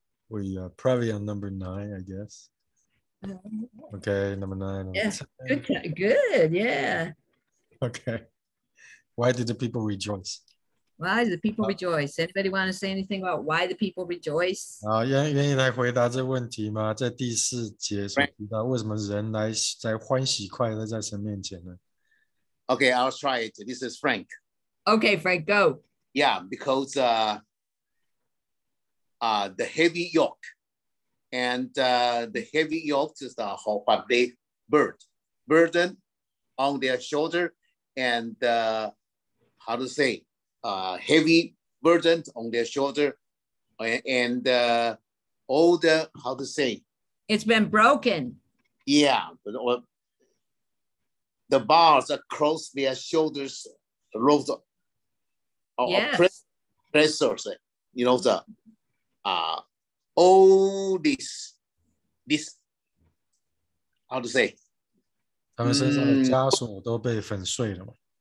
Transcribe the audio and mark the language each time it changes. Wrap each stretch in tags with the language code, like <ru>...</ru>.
<en>We probably on number 9, I guess. Okay, number 9. Yes, good. Yeah. Okay. Why did the people rejoice? Why did the people rejoice? Anybody want to say anything about why the people rejoice?</en> <zh>愿意来回答这问题吗？在第四节所提到为什么人来在欢喜快乐在神面前呢？</zh> <en>Okay, I'll try it. This is Frank. Okay, Frank, go. Yeah, because the heavy yoke. And the heavy yoke is the whole but they burden on their shoulder and how to say, heavy burden on their shoulder and all the, how to say? It's been broken. Yeah, but the bars across their shoulders, rolled up. Yes. Pressors, you know, the all this, how to say?</en> <zh>他们身上的枷锁都被粉碎了吗？</zh>